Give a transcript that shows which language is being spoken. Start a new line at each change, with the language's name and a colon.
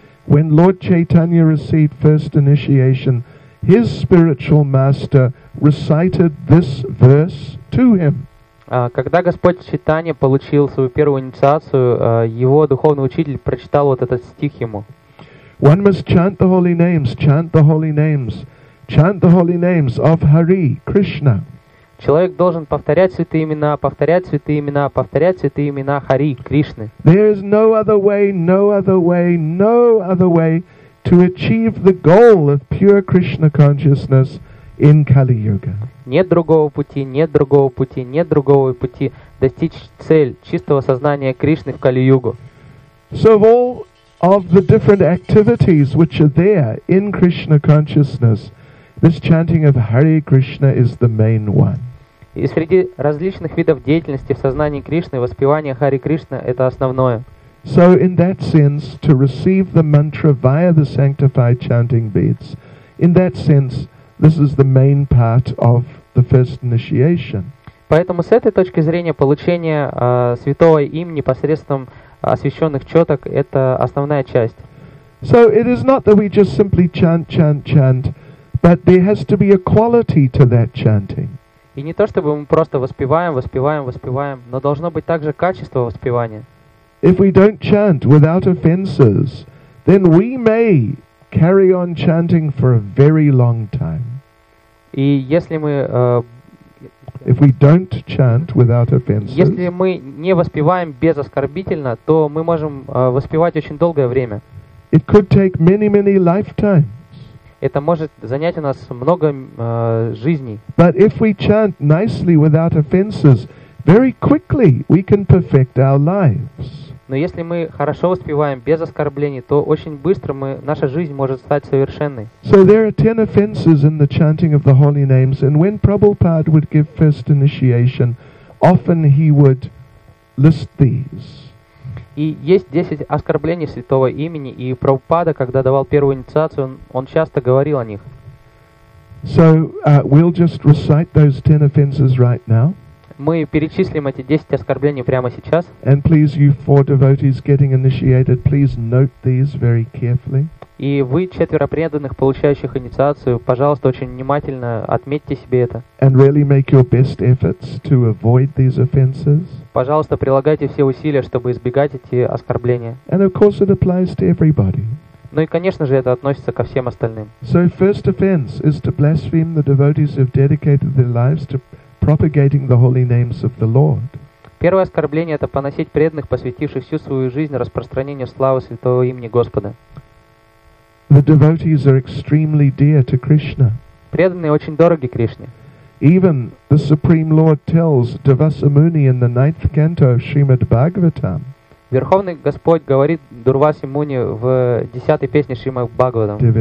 English: When Lord Chaitanya received first initiation, his spiritual master recited this verse to him.
Russian: Когда Господь Чайтанья получил свою первую инициацию, его духовный учитель прочитал вот этот стих ему.
English: One must chant the holy names, chant the holy names. Chant the holy names of Hari Krishna.
Russian: Человек должен повторять святые имена, повторять святые имена, повторять святые имена Хари Кришны.
English: There is no other way, no other way, no other way to achieve the goal of pure Krishna consciousness in Kali Yuga.
Russian: Нет другого пути, нет другого пути, нет другого пути достичь цель чистого сознания Кришны в Кали Югу.
English: So of all of the different activities which are there in Krishna consciousness, this chanting of Hare Krishna is the main one.
Russian: И среди различных видов деятельности в сознании Кришны воспевание Хари Кришна это основное.
English: So in that sense, to receive the mantra via the sanctified chanting beads, in that sense, this is the main part of the first initiation.
Russian: Поэтому с этой точки зрения получение святого имени посредством освященных четок это основная часть.
English: So it is not that we just simply chant, chant, chant. But there has to be a quality to that chanting.
Russian: И не то чтобы мы просто воспеваем, воспеваем, воспеваем, но должно быть также качество воспевания.
English: If we don't chant without offenses, then we may carry on chanting for a very long time.
Russian: И если мы
English: if we don't chant without offenses,
Russian: если мы не воспеваем без оскорбительно, то мы можем воспевать очень долгое время.
English: It could take many, many lifetimes.
Russian: Это может занять у нас много жизней.
English: But if we chant nicely without offenses, very quickly we can perfect our lives.
Russian: Но если мы хорошо воспеваем без оскорблений, то очень быстро наша жизнь может стать совершенной.
English: So there are 10 offenses in the chanting of the holy names, and when Prabhupada would give first initiation, often he would list these.
Russian: И есть 10 оскорблений святого имени, и Прабхупада, когда давал первую инициацию, он часто говорил о них.
English: So, we'll just recite those 10 offenses right now.
Russian: Мы перечислим эти 10 оскорблений прямо сейчас.
English: And please, you four devotees getting initiated, please note these very carefully.
Russian: И вы, четверо преданных, получающих инициацию, пожалуйста, очень внимательно отметьте себе это.
English: And really make your best efforts to avoid these offenses.
Russian: Пожалуйста, прилагайте все усилия, чтобы избегать эти оскорбления.
English: And of course it applies to everybody.
Russian: Ну и, конечно же, это относится ко всем остальным.
English: So first offense is to blaspheme the devotees who have dedicated their lives to propagating the holy names of the Lord.
Russian: Первое оскорбление – это поносить преданных, посвятивших всю свою жизнь распространению славы святого имени Господа.
English: The devotees are extremely dear to Krishna.
Russian: Преданные очень дороги Кришне.
English: Even the Supreme Lord tells Durvasamuni in the 9th canto of Srimad Bhagavatam.
Russian: Верховный Господь говорит Дурвасамуни в 10-й песне Шримад Бхагаватам.